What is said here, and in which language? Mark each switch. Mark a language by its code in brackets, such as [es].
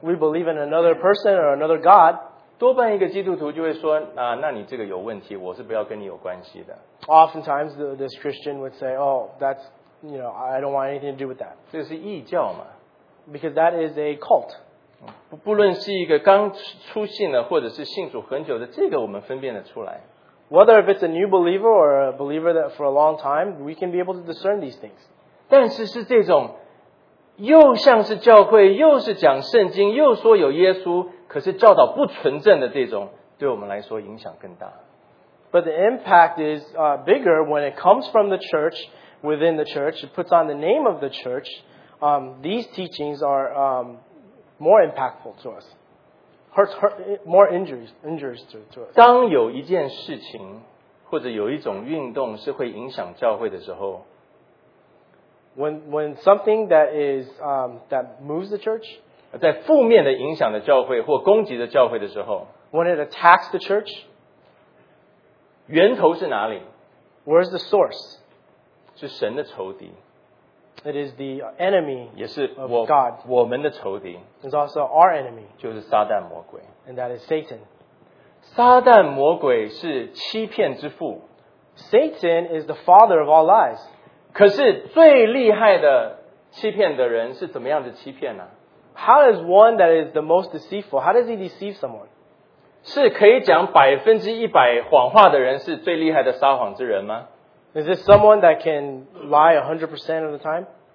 [en] We believe in another person or another God. [zh] 多半一个基督徒就会说、啊、那你这个有问题我是不要跟你有关系的。 [en] Oftentimes, this Christian would say, oh, that's, you know, I don't want anything to do with that. [zh] 这是异教嘛。 [en] Because that is a cult. [zh] 不论是一个刚出信的或者是信主很久的这个我们分辨得出来。 [en] Whether if it's a new believer or a believer that for a long time, we can be able to discern these things. [zh] 但是是这种又像是教会又是讲圣经又说有耶稣可是教导不纯正的这种对我们来说影响更大。 [en] But the impact is bigger when it comes from the church, within the church, it puts on the name of the church, these teachings are more impactful to us. Hurt more injuries to us. [zh] 当有一件事情或者有一种运动是会影响教会的时候 [en] When something that is, that moves the church, [zh] 在负面的影响的教会或攻击的教会的时候 [en] When it attacks the church [zh] 源头是哪里 [en] Where's the source [zh] 是神的仇敌 [en] It is the enemy [zh] 也是 [en] of God [zh] 我们的仇敌 [en] It's also our enemy [zh] 就是撒旦魔鬼 [en] And that is Satan [zh] 撒旦魔鬼是欺骗之父 [en] Satan is the father of all lies [zh] 可是最厉害的欺骗的人是怎么样的欺骗呢、啊 [en] How is one that is the most deceitful? How does he deceive someone? [zh] 是可以讲百分之一百谎话的人是最厉害的撒谎之人吗？ [en] Is it someone that can lie 100% of the time?